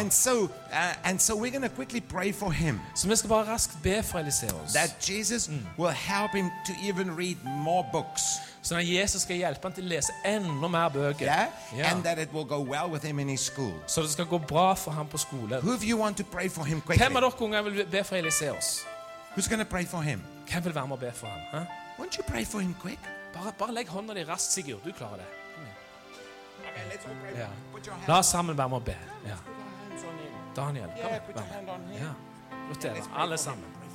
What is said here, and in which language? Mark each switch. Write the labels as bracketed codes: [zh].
[en] And so we're going to quickly pray for him. [no] Så vi skal bare raskt be for Eliseus. [en] That Jesus will help him to even read more books. [no] Så at Jesus skal hjelpe han til å lese enda mer bøker. [en] Yeah? Yeah. And that it will go well with him in his school. [no] Så det skal gå bra for ham på skolen. [en] Who of you want to pray for him quickly? [no] Hvem av dere unger vil be for Eliseus? [en] Who's going to pray for him? [no] Hvem vil være med å be for ham? Huh? [en] Won't you pray for him quick? [no] Bare legg hånda di raskt, Sigurd. Du klarer det. [en] Okay, yeah. [no] La oss sammen være med å be. [en] Yeah. Daniel, [no] kom. Ja, [en] put your hand on him. [no] Alle sammen.